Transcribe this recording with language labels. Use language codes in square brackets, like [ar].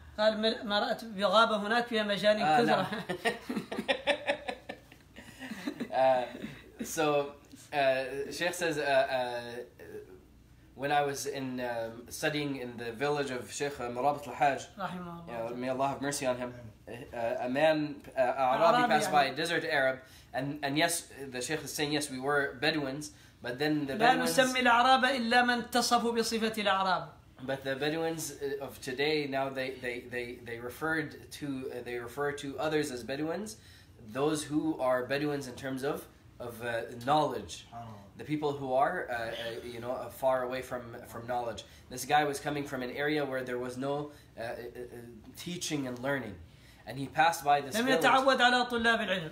[ar] قال مررت بغابة هناك فيها مجانين كثرة [en] So Sheikh says when I was in studying in the village of Sheikh Marabit al-Hajj may Allah have mercy on him a man Arabi passed by a desert Arab and yes the Sheikh is saying yes we were Bedouins but then the Bedouins [ar] لا نسمي العرب إلا من تصفوا بصفة العرب [en] but the Bedouins of today now they refer to others as Bedouins those who are Bedouins in terms of knowledge, the people who are you know far away from knowledge. This guy was coming from an area where there was no teaching and learning, and he passed by this village.